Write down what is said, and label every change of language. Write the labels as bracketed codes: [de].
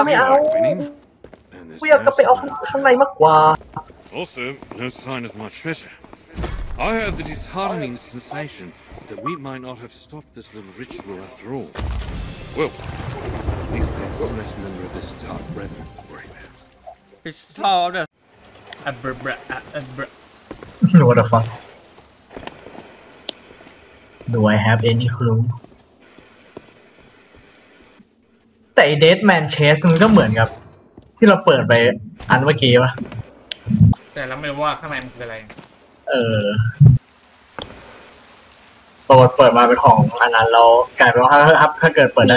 [th] ไอ้เนี่ยไม่เอากูอยากกลับไปเอาข้างในมากกว่า [en] Also no sign of my treasure I heard the disheartening sensation that we might not have stopped this little ritual after all Well at least we've got less number of this dark brethren to worry about It's hard as Abra-bra-abra What the fuck Do I have any clue? [th] แต่ไอ้เดดแมนเชสมันก็เหมือนกับที่เราเปิดไปอันเมื่อกี้ป่ะ แต่เราไม่รู้ว่าข้างในมันคืออะไร เออพอเปิดมาเป็นของอันนั้นเรากลายเป็นว่าถ้าเกิดเปิดได้